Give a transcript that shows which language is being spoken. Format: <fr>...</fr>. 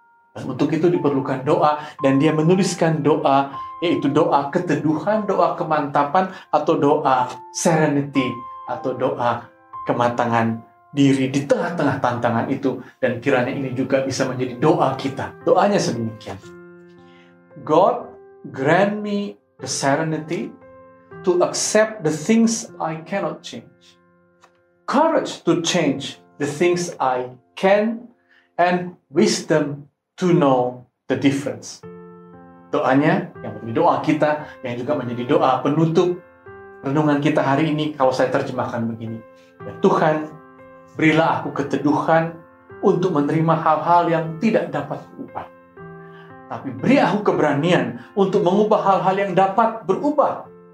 <id>Dan untuk itu diperlukan doa, dan dia menuliskan doa, yaitu doa keteduhan, doa kemantapan, atau doa serenity, atau doa kematangan diri di tengah-tengah tantangan itu. Dan kiranya ini juga bisa menjadi doa kita. Doanya sedemikian:</id> <en>God, grant me the serenity to accept the things I cannot change, courage to change the things I can, and wisdom to know the difference.</en> <id>Doanya yang menjadi doa kita, yang juga menjadi doa penutup renungan kita hari ini, kalau saya terjemahkan begini: ya Tuhan, berilah aku keteduhan untuk menerima hal-hal yang tidak dapat berubah. Tapi beri aku keberanian untuk mengubah hal-hal yang dapat berubah.</id>